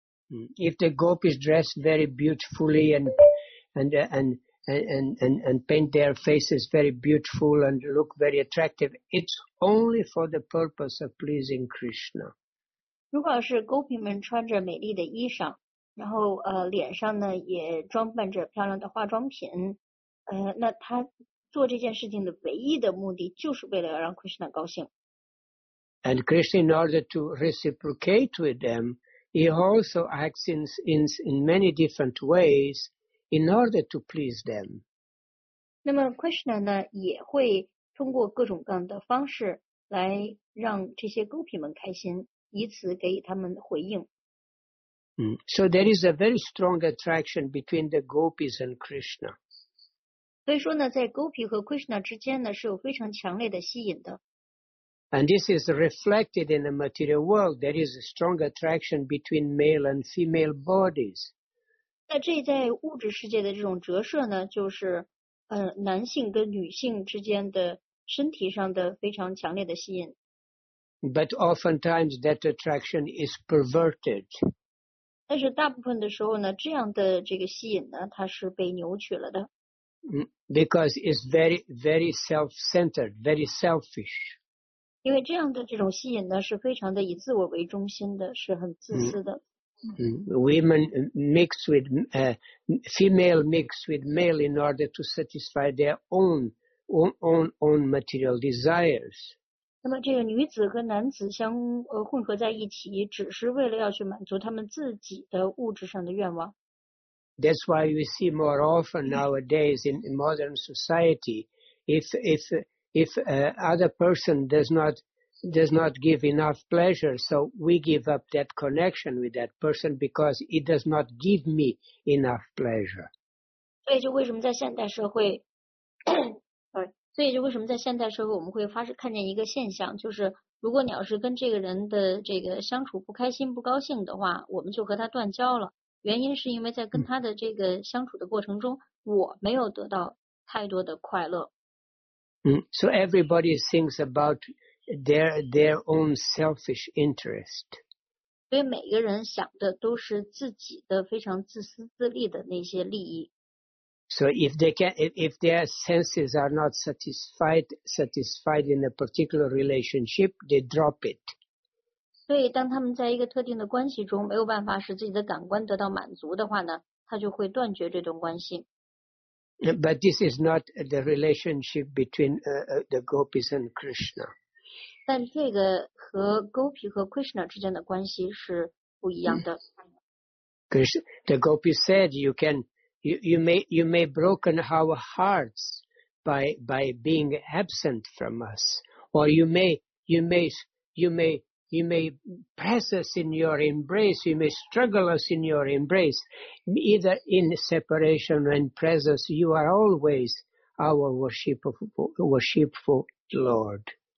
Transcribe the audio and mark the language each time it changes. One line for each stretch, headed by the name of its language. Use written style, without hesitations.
English: If the gopis dress very beautifully and paint their faces very beautiful and look very attractive, it's only for the purpose of pleasing Krishna.
Chinese: 如果是勾皮们穿着美丽的衣裳，然后脸上呢也装扮着漂亮的化妆品，那他做这件事情的唯一的目的就是为了让 Krishna 高兴。
English: And Krishna, in order to reciprocate with them, he also acts in many different ways in order to please them.
Chinese: 那么 Krishna 呢，也会通过各种各样的方式来让这些 Gopi 们开心，以此给他们回应。
English: So there is a very strong attraction between the Gopis and Krishna.
Chinese: 所以说呢，在 Gopi 和 Krishna 之间呢，是有非常强烈的吸引的。
English: And this is reflected in the material world. There is a strong attraction between male and female bodies.
Chinese: 那这在物质世界的这种折射呢，就是男性跟女性之间的身体上的非常强烈的吸引。
English: But oftentimes that attraction is perverted.
Chinese: 但是大部分的时候呢，这样的这个吸引呢，它是被扭曲了的。
English: Because it's very, very self-centered, very selfish.
Chinese: 因为这样的这种吸引呢，是非常的以自我为中心的，是很自私的。
English: Women mix with female mix with male in order to satisfy their own material desires.
Chinese: 那么这个女子和男子相混合在一起，只是为了要去满足他们自己的物质上的愿望。
English: That's why we see more often nowadays in modern society, if other person does not give enough pleasure, so we give up that connection with that person because it does not give me enough pleasure.
Chinese: 所以就为什么在现代社会，所以就为什么在现代社会我们会看见一个现象，就是如果你要是跟这个人的这个相处不开心不高兴的话，我们就和他断交了。原因是因为在跟他的这个相处的过程中，我没有得到太多的快乐。
English: So everybody thinks about their own selfish interest.
Chinese: 所以每个人想的都是自己的非常自私自利的那些利益。
English: So if their senses are not satisfied in a particular relationship, they drop it.
Chinese: 所以当他们在一个特定的关系中没有办法使自己的感官得到满足的话呢，他就会断绝这段关系。
English: But this is not the relationship between the Gopis and Krishna.
Chinese: 但这个和 Gopi 和 Krishna 之间的关系是不一样的。
English: The Gopi said, "You may broken our hearts by being absent from us, or you may press us in your embrace, you may struggle us in your embrace, either in separation or in presence, you are always our worshipful Lord.